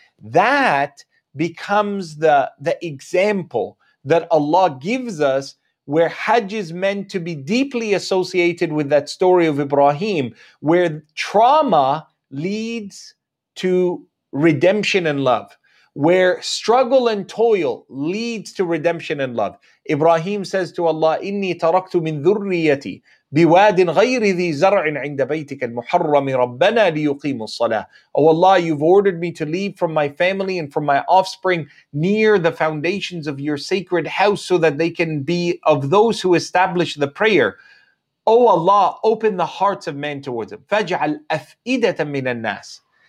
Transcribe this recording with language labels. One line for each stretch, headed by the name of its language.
English: That becomes the example that Allah gives us, where Hajj is meant to be deeply associated with that story of Ibrahim, where trauma leads to redemption and love, where struggle and toil leads to redemption and love. Ibrahim says to Allah,
Arabic: إِنِّي تَرَكْتُ مِن ذُرِّيَّتِي بِوَادٍ غَيْرِ ذِي زَرْعٍ عِنْدَ بَيْتِكَ الْمُحَرَّمِ رَبَّنَا لِيُقِيمُ الصَّلَاةِ.
English: Oh Allah, you've ordered me to leave from my family and from my offspring near the foundations of your sacred house so that they can be of those who establish the prayer. Oh Allah, open the hearts of men towards Him.
Arabic: فَاجْعَلْ أَفْئِدَةً مِنَ النَّاسِ.